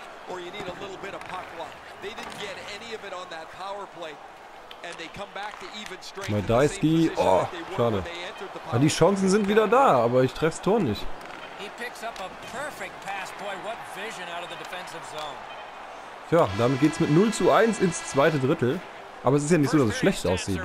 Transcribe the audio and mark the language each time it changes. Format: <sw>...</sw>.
<en>Or you need a little bit of puck luck. They didn't get any of it on that power play and they come back to even strength.</en> <de>Madajski, oh, schade. Ah, die Chancen sind wieder da, aber ich treffe das Tor nicht.</de> <en>He picks up a perfect pass, boy, what vision out of the defensive zone.</en> <de>Tja, damit geht's mit 0:1 ins zweite Drittel, aber es ist ja nicht so, dass es schlecht aussieht.</de>